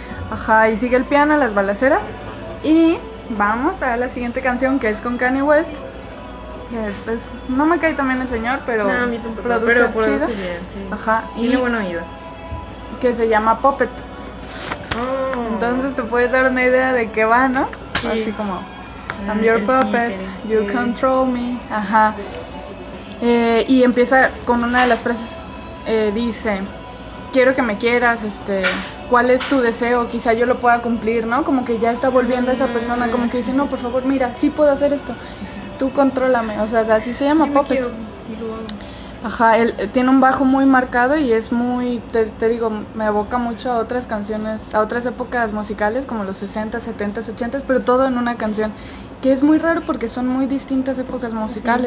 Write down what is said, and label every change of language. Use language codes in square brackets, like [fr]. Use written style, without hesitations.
[es] Ajá, y sigue el piano, las balaceras. Y vamos a la siguiente canción, que es con Kanye West. Pues, no me cae también el señor, pero... No, a mí tampoco, produce chido. Bien, sí. Ajá. Tiene buen oído. Que se llama Puppet. Entonces te puedes dar una idea de qué va, ¿no? Sí. Así como, [en] I'm your puppet, you control me. [es] Ajá. Y empieza con una de las frases. Dice, quiero que me quieras, ¿cuál es tu deseo? Quizá yo lo pueda cumplir, ¿no? Como que ya está volviendo a esa persona, como que dice, no, por favor, mira, sí puedo hacer esto. Tú contrólame. O sea, así se llama Puppet. Ajá, él tiene un bajo muy marcado y es muy, te digo, me evoca mucho a otras canciones, a otras épocas musicales como los 60, 70, 80, pero todo en una canción, que es muy raro porque son muy distintas épocas musicales.